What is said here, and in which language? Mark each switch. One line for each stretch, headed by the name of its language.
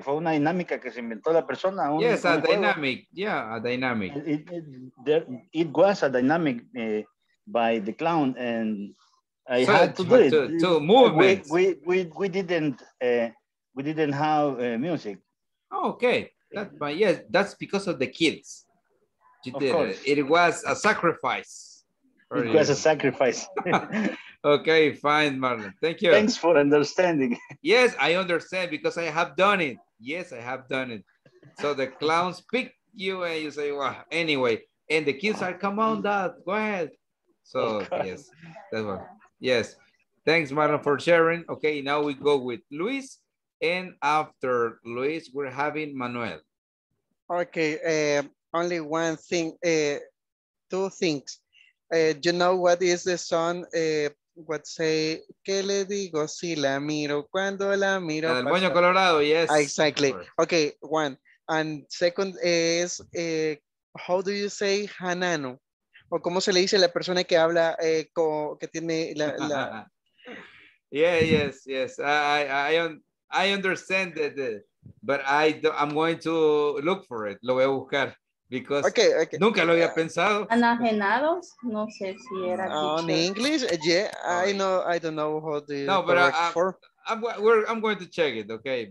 Spanish: Fue una dinámica que se inventó la persona.
English: A dynamic. It was a dynamic by the clown, and I had to do it. To movements. We didn't have music. Oh, okay, that's because of the kids. Of course, it was a sacrifice. It was a sacrifice. Okay, fine, Marlon. Thank you. Thanks for understanding. Yes, I understand because I have done it. Yes, I have done it. So the clowns pick you and you say, well, anyway. And the kids are, come on, Dad, go ahead. So, yes. That's what. Yes. Thanks, Marlon, for sharing. Okay, now we go with Luis. And after Luis, we're having Manuel. Okay, only one thing. Two things. You know what is the song? What say?
Spanish: ¿Qué le digo si la miro cuando la miro? El moño colorado, yes.
English: Exactly. Okay, one. And second is, how do you say hanano?
Spanish: ¿O cómo se le dice a la persona que habla, que tiene la...
English: Yes. I understand that, but I'm going to look for it.
Spanish: Lo voy a buscar. Because
English: okay.
Spanish: Nunca lo había pensado. Enajenados, no sé si era.
English: In English, yeah, I don't know how to. No, but I'm going to check it, okay?